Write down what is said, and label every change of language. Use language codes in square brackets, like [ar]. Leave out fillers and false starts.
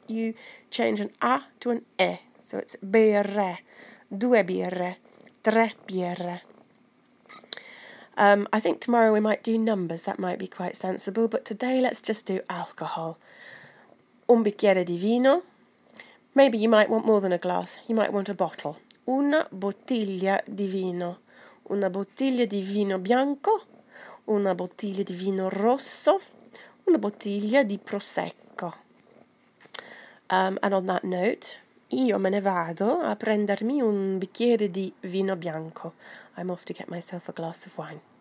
[en] You change an A to an E. So it's [it] birre, due birre. Tre birre. [en] I think tomorrow we might do numbers. That might be quite sensible. But today let's just do alcohol. [it] Un bicchiere di vino. [en] Maybe you might want more than a glass. You might want a bottle. [it] Una bottiglia di vino. Una bottiglia di vino bianco. Una bottiglia di vino rosso. Una bottiglia di prosecco. [en] And on that note, [it] io me ne vado a prendermi un bicchiere di vino bianco. [en] I'm off to get myself a glass of wine.